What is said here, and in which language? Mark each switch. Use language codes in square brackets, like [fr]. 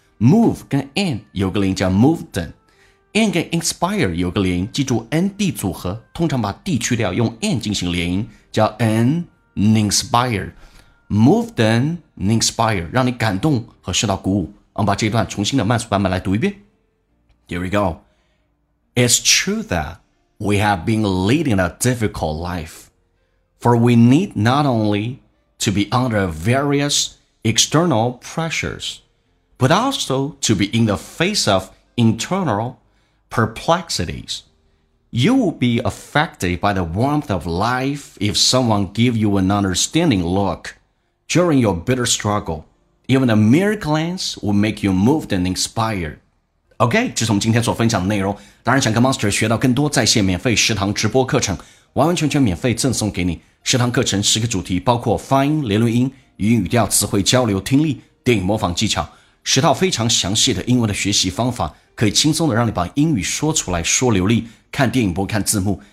[zh] Move 跟 an 有个连音叫 [en] moved and. [zh] An 跟 inspire 有个连音，记住 N-D 组合，通常把 D 去掉，用 An 进行连音，叫 An-inspire [en] Moved and inspire， [zh] 让你感动和受到鼓舞。我们把这一段重新的慢速版本来读一遍。 [en] Here we go. It's true that we have been leading a difficult life, for we need not only to be under various external pressures, but also to be in the face of internalperplexities. You will be affected by the warmth of life if someone gives you an understanding look during your bitter struggle. Even a mere glance will make you moved and inspired. [zh] OK, 这是我们今天所分享的内容。当然想跟 Monster 学到更多在线免费食堂直播课程，完完全全免费赠送给你。食堂课程十个主题，包括发音、连轮音、语音语调、词汇交流、听力、电影模仿技巧，十套非常详细的英文的学习方法，可以轻松的让你把英语说出来说流利，看电影不看字幕。